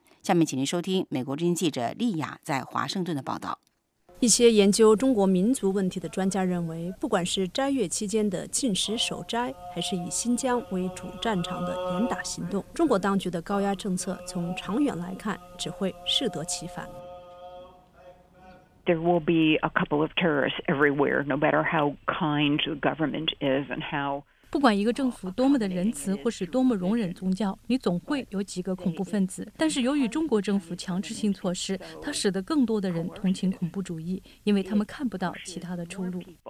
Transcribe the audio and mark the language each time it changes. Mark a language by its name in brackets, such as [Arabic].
[Chinese] 下面请您收听美国之音记者丽亚在华盛顿的报道。一些研究中国民族问题的专家认为，不管是斋月期间的禁食守斋，还是以新疆为主战场的严打行动，中国当局的高压政策从长远来看只会适得其反。 [English] There will be a couple of terrorists everywhere, no matter how kind the government is and how... [Chinese] 不管一个政府多么的仁慈或是多么容忍宗教，你总会有几个恐怖分子。但是由于中国政府强制性措施，它使得更多的人同情恐怖主义，因为他们看不到其他的出路。